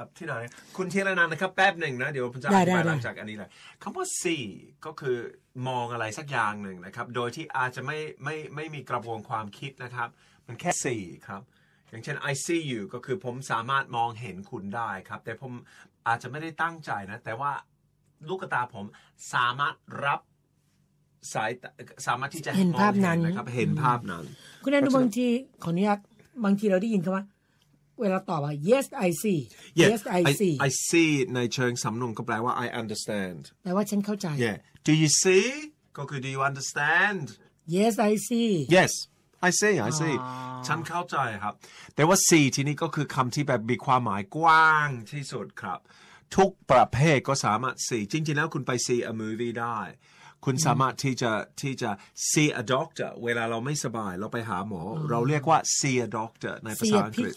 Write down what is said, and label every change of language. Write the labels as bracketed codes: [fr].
[th] ที่ไหนคุณเทียนนันนะครับแป๊บหนึ่งนะเดี๋ยวผมจะอธิบายหลังจากอันนี้แหละคำว่า see ก็คือมองอะไรสักอย่างหนึ่งนะครับโดยที่อาจจะไม่มีกระบวนความคิดนะครับมันแค่ see ครับอย่างเช่น [en] I see you [th] ก็คือผมสามารถมองเห็นคุณได้ครับแต่ผมอาจจะไม่ได้ตั้งใจนะแต่ว่าลูกตาผมสามารถรับสายสามารถที่จะ เห็นภาพนั้น นะครับเห็นภาพนั้น คุณแอนดูบางทีขออนุญาตบางทีเราได้ยินคำว่าเวลาตอบว่า [en] yes I see yes I see I see [th] ในเชิงสำนวนก็แปลว่า [en] I understand [th] แปลว่าฉันเข้าใจ [en] yeah do you see [th] ก็คือ [en] do you understand yes I see yes I see I see [th] ฉันเข้าใจครับแต่ว่า see ที่นี่ก็คือคำที่แบบมีความหมายกว้างที่สุดครับทุกประเภทก็สามารถ see จริงๆแล้วคุณไป [en] see a movie [th] ได้คุณสามารถที่จะ [en] see a doctor [th] เวลาเราไม่สบายเราไปหาหมอ เราเรียกว่า see a doctor ในภาษาอังกฤษ